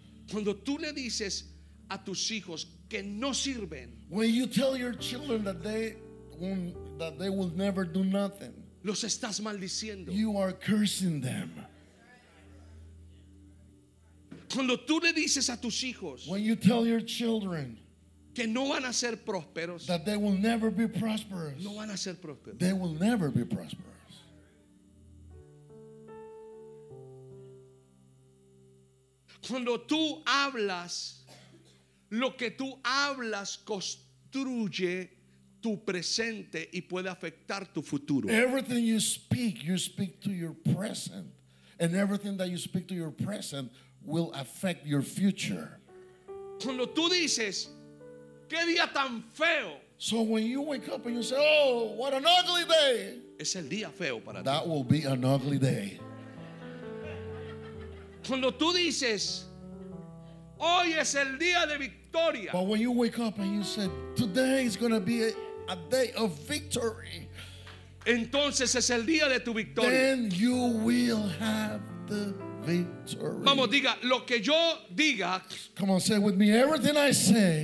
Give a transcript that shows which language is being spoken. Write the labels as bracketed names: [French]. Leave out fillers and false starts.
[Spanish] Cuando tú le dices a tus hijos que no sirven. [English] When you tell your children that they will never do nothing. [Spanish] Los estás maldiciendo. [English] You are cursing them. [Spanish] Cuando tú le dices a tus hijos. [English] When you tell your children. [Spanish] Que no van a ser prósperos. [English] That they will never be prosperous. [Spanish] No van a ser prósperos. [English] They will never be prosperous. [Spanish] Cuando tú hablas Lo que tú hablas construye tu presente y puede afectar tu futuro. [English] Everything you speak to your present. And everything that you speak to your present will affect your future. [Spanish] Cuando tú dices, qué día tan feo. [English] So when you wake up and you say, oh, what an ugly day. [Spanish] Es el día feo para [English] that That will be an ugly day. [Spanish] Cuando tú dices, hoy es el día de victoria. [English] But when you wake up and you say, today is going to be a day of victory. [Spanish] Entonces es el día de tu victoria. [English] Then you will have the victory. [Spanish] Vamos, diga, lo que yo diga. [English] Come on, say with me, everything I say.